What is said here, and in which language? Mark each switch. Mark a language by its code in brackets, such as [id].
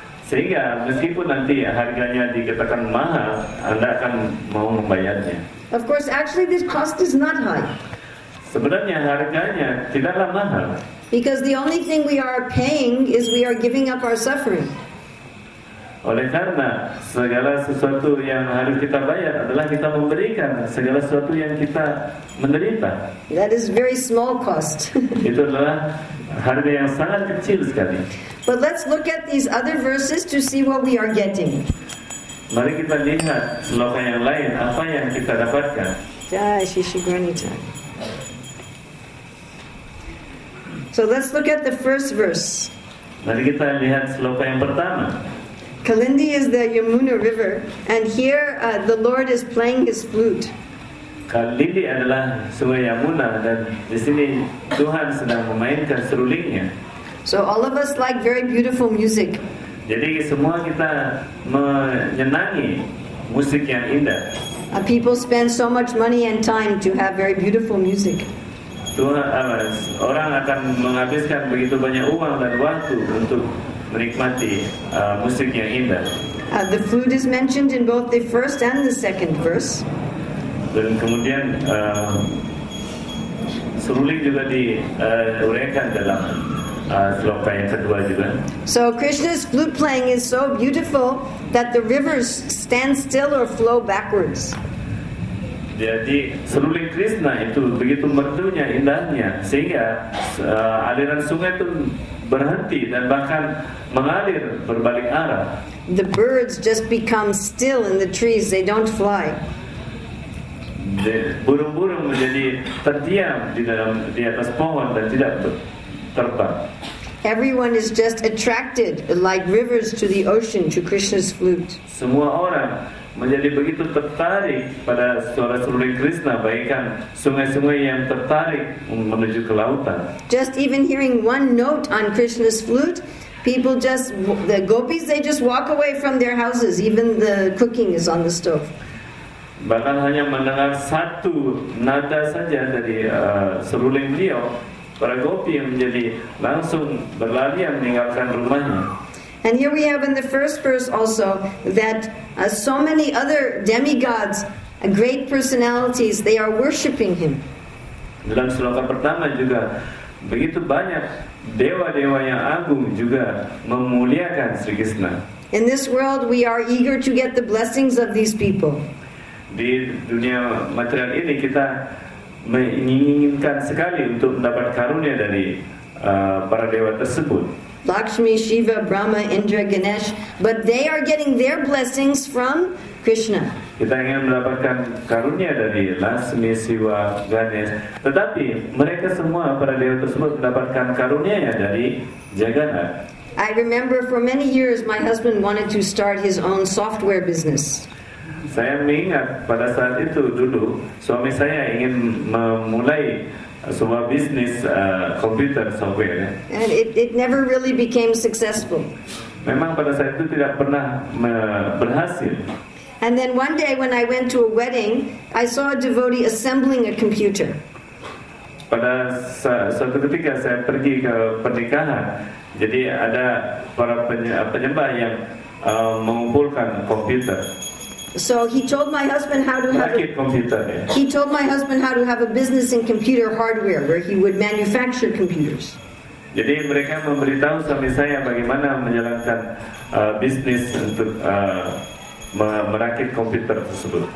[id] Sehingga meskipun nanti harganya dikatakan mahal, Anda akan mau membayarnya. [en] Of course, actually this cost is not high. [id] Sebenarnya harganya tidaklah mahal. [en] Because the only thing we are paying is we are giving up our suffering. [id] Oleh karena segala sesuatu yang harus kita bayar adalah kita memberikan segala sesuatu yang kita menderita. [en] That is very small cost. [id] Itu adalah harga yang sangat kecil sekali. [en] But let's look at these other verses to see what we are getting. [id] Mari kita lihat loka yang lain apa yang kita dapatkan. Jai Shishigranita. [en] So let's look at the first verse. [id] Mari kita lihat sloka yang pertama. [en] Kalindi is the Yamuna River, and here the Lord is playing his flute. [id] Kalindi adalah Sungai Yamuna, dan di sini Tuhan sedang memainkan serulingnya. [en] So all of us like very beautiful music. [id] Jadi semua kita menyenangi musik yang indah. [en] People spend so much money and time to have very beautiful music. [id] Orang akan menghabiskan begitu banyak uang dan waktu untuk menikmati musik yang indah. [en] The flute is mentioned in both the first and the second verse. [id] Dan kemudian seruling juga diuraikan dalam sloka yang kedua juga. [en] So Krishna's flute playing is so beautiful that the rivers stand still or flow backwards. [id] Jadi seruling Krishna itu begitu merdunya, indahnya, sehingga aliran sungai itu berhenti dan bahkan mengalir berbalik arah. [en] The birds just become still in the trees, they don't fly. [id] Burung-burung menjadi terdiam di atas pohon dan tidak terbang. [en] Everyone is just attracted like rivers to the ocean, to Krishna's flute. [id] Semua orang menjadi begitu tertarik pada suara seruling Krishna, bagaikan sungai-sungai yang tertarik menuju ke lautan. [en] Just even hearing one note on Krishna's flute, people just, the gopis, they just walk away from their houses, even the cooking is on the stove. [id] Bahkan hanya mendengar satu nada saja dari seruling beliau, para gopi menjadi langsung berlarian meninggalkan rumahnya. [en] And here we have in the first verse also that so many other demigods, great personalities, they are worshipping him. [id] Dalam sloka pertama juga begitu banyak dewa-dewa yang agung juga memuliakan Sri Krishna. [en] In this world we are eager to get the blessings of these people. [id] Di dunia material ini kita menginginkan sekali untuk mendapat karunia dari para dewa tersebut. [en] Lakshmi, Shiva, Brahma, Indra, Ganesh, but they are getting their blessings from Krishna. [id] Kita ingin mendapatkan karunia dari Lakshmi, Shiva, Ganesh. Tetapi mereka semua, para dewa tersebut, mendapatkan karunianya dari Jagannath. [en] I remember for many years my husband wanted to start his own software business. [id] Saya mengingat pada saat itu dulu suami saya ingin memulai sebuah bisnis komputer software. [en] And it never really became successful. [id] Memang pada saat itu tidak pernah berhasil. [en] And then one day when I went to a wedding, I saw a devotee assembling a computer. [id] Pada suatu ketika saya pergi ke pernikahan, jadi ada para penyembah yang mengumpulkan komputer. [en] So he told my husband how to have he told my husband how to have a business in computer hardware where he would manufacture computers. [id] Jadi mereka memberitahu suami saya bagaimana menjalankan bisnis untuk merakit komputer tersebut.